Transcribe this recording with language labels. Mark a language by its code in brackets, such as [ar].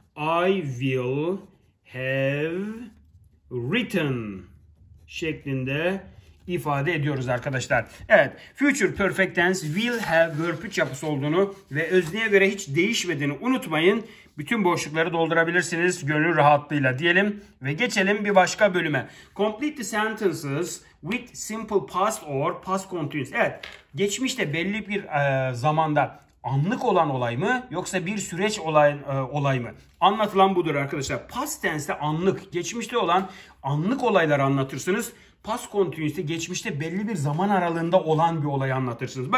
[en] I will have written şeklinde [tr] ifade ediyoruz arkadaşlar. Evet, future perfect tense will have verb 3 yapısı olduğunu ve özneye göre hiç değişmediğini unutmayın. Bütün boşlukları doldurabilirsiniz gönül rahatlığıyla diyelim ve geçelim bir başka bölüme. [en] Complete the sentences with simple past or past continuous. [tr] Evet, geçmişte belli bir zamanda anlık olan olay mı yoksa bir süreç olay mı? Anlatılan budur arkadaşlar. Past tense'de anlık, geçmişte olan anlık olayları anlatırsınız. Past continuous'te geçmişte belli bir zaman aralığında olan bir olayı anlatırsınız.